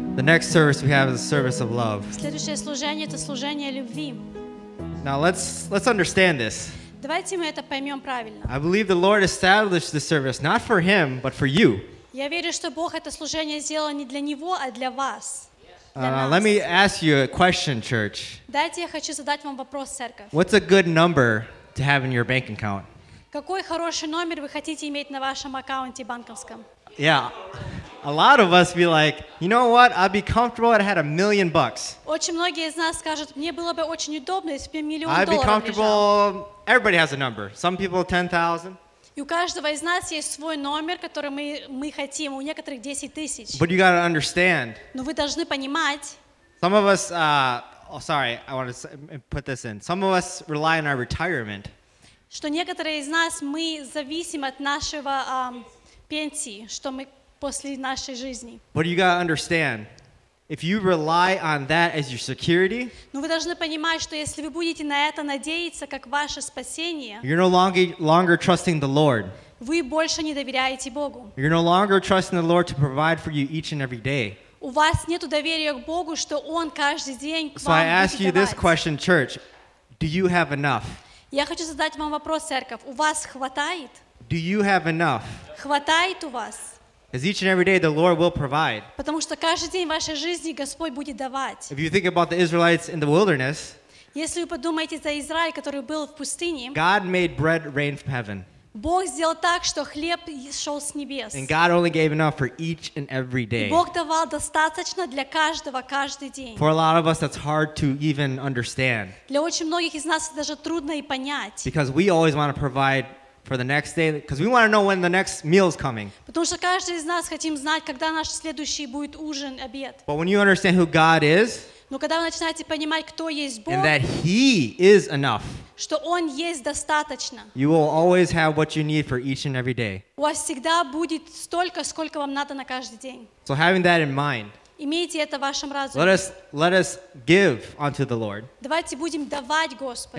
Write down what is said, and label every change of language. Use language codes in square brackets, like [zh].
[en] The next service we have is a service of love. [ru] Следующее служение это служение любви. [en] Now let's understand this. [ru] Давайте мы это поймем правильно. [en] I believe the Lord established this service not for him, but for you. [ru] Я верю, что Бог это служение сделал не для него, а для вас. [en] Let me ask you a question, church. [ru] Дайте я хочу задать вам вопрос, церковь. [en] What's a good number to have in your bank account? [ru] Какой хороший номер вы хотите иметь на вашем аккаунте банковском? [en] Yeah, a lot of us be like, you know what? I'd be comfortable if I had $1,000,000. [ru] Очень многие из нас скажут, мне было бы очень удобно, если бы миллион долларов. [en] I'd be comfortable. Everybody has a number. Some people 10,000. [ru] И у каждого из нас есть свой номер, который мы хотим. У некоторых 10,000. [en] But you gotta understand. [ru] Но вы должны понимать. [en] Some of us, I want to put this in. Some of us rely on our retirement. [ru] Что некоторые из нас мы зависим от нашего. Пенсии, что мы после нашей жизни. [en] But you gotta understand, if you rely on that as your security, [ru] но вы должны понимать, что если вы будете на это надеяться как ваше спасение, [en] you're no longer trusting the Lord. [ru] Вы больше не доверяете Богу. [en] You're no longer trusting the Lord to provide for you each and every day. [ru] У вас нету доверия к Богу, что Он каждый день к вам. [en] So I ask you this question, church: do you have enough? [ru] Я хочу задать вам вопрос, церковь: у вас хватает? [en] Do you have enough? [ru] Хватает у вас? [en] Because each and every day the Lord will provide. [ru] Потому что каждый день вашей жизни Господь будет давать. [en] If you think about the Israelites in the wilderness, [ru] если вы подумаете за Израиль, который был в пустыне, [en] God made bread rain from heaven. [ru] Бог сделал так, что хлеб шел с небес. [en] And God only gave enough for each and every day. [ru] И Бог давал достаточно для каждого каждый день. [en] For a lot of us, that's hard to even understand. [ru] Для очень многих из нас это даже трудно и понять. [en] Because we always want to provide for the next day, because we want to know when the next meal is coming. [ru] Потому что каждый из нас хотим знать, когда наш следующий будет ужин, обед. [en] But when you understand who God is, [ru] но когда вы начинаете понимать, кто есть Бог, [en] and that He is enough, [ru] что Он есть достаточно, [en] you will always have what you need for each and every day. [ru] У вас всегда будет столько, сколько вам надо на каждый день. [en] So having that in mind, [ru] имейте это в вашем разуме. [en] Let us give unto the Lord. [ru] Давайте будем давать Господу.